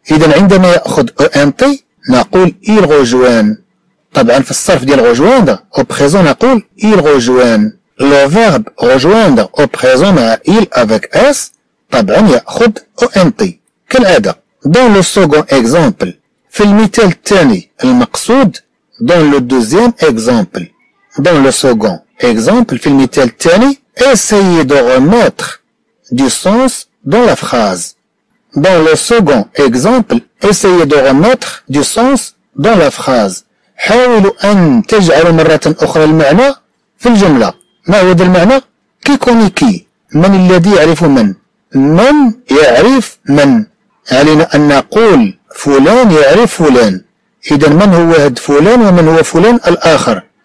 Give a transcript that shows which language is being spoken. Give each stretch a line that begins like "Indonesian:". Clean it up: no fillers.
Arabic: اذا عندما ياخذ او ان تي نقول
French: il rejoint.
Arabic: طبعا في الصرف ديال
French: rejoindre au présent
Arabic: نقول
French: il rejoint. لو فيرب rejoindre au présent
Arabic: مع
French: il avec s
Arabic: طبعا ياخذ او ان تي كالعاده.
French: dans le second exemple،
Arabic: في المثال الثاني المقصود.
French: dans le deuxième exemple، dans le second exemple،
Arabic: في المثال الثاني
French: essayez de remettre du sens dans la phrase. dans le second exemple essayez de remettre du sens dans la phrase.
Arabic: حاولوا ان تجعلوا مره اخرى المعنى في الجمله. ما هو هذا المعنى؟
French: كي كوني كي،
Arabic: من الذي يعرف من، من يعرف من. علينا ان نقول فلان يعرف فلان، اذا من هو هاد فلان ومن هو فلان الاخر.